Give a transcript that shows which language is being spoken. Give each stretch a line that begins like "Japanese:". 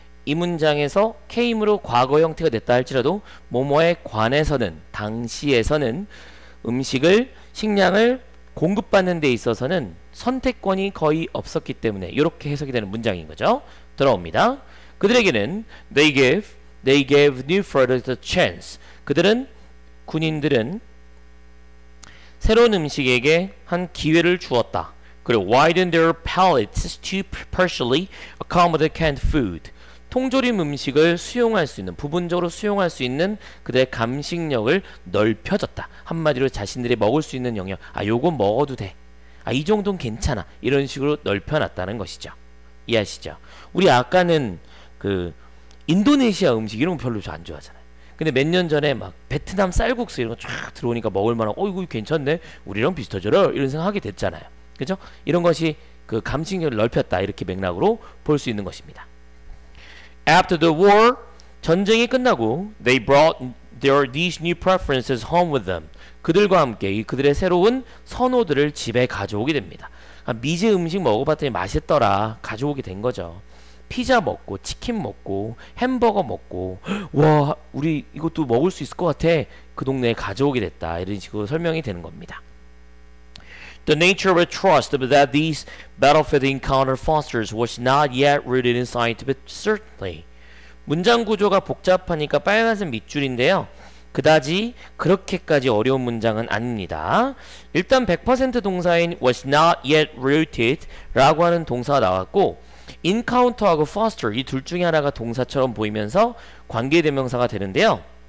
Korean: 이 문장에서 came으로 과거 형태가 됐다 할지라도 뭐뭐에 관해서는 당시에서는 음식을 식량을 공급받는 데 있어서는 선택권이 거의 없었기 때문에 이렇게 해석이 되는 문장인 거죠. 들어옵니다. 그들에게는
English: they gave new products a chance.
Korean: 그들은 군인들은 새로운 음식에게 한 기회를 주었다. 그리고
English: widened their palates to partially accommodate canned food.
Korean: 통조림 음식을 수용할 수 있는 부분적으로 수용할 수 있는 그들의 감식력을 넓혀졌다. 한마디로 자신들이 먹을 수 있는 영역 아 요거 먹어도 돼 아 이 정도는 괜찮아 이런 식으로 넓혀놨다는 것이죠. 이해하시죠? 우리 아까는 그 인도네시아 음식 이런 거 별로 안 좋아하잖아요. 근데 몇 년 전에 막 베트남 쌀국수 이런 거 쫙 들어오니까 먹을만한 어 이거 괜찮네 우리랑 비슷하잖아 이런 생각하게 됐잖아요. 그죠? 이런 것이 그 감식력을 넓혔다 이렇게 맥락으로 볼 수 있는 것입니다.
English: After the war,
Korean: 전쟁이 끝나고
English: they brought these new preferences home with them.
Korean: 그들과 함께 그들의 새로운 선호들을 집에 가져오게 됩니다. 미제 음식 먹어봤더니 맛있더라 가져오게 된 거죠. 피자 먹고 치킨 먹고 햄버거 먹고 와 우리 이것도 먹을 수 있을 것 같아 그 동네에 가져오게 됐다 이런 식으로 설명이 되는 겁니다.
English: The nature of a trust that these battlefield encounter fosters was not yet rooted in scientific certainty.
Korean: 문장 구조가 복잡하니까 빨간색 밑줄인데요. 그다지 그렇게까지 어려운 문장은 아닙니다. 일단 100% 동사인 was not yet rooted 라고 하는 동사가 나왔고 encounter하고 foster 이 둘 중에 하나가 동사처럼 보이면서 관계대명사가 되는데요.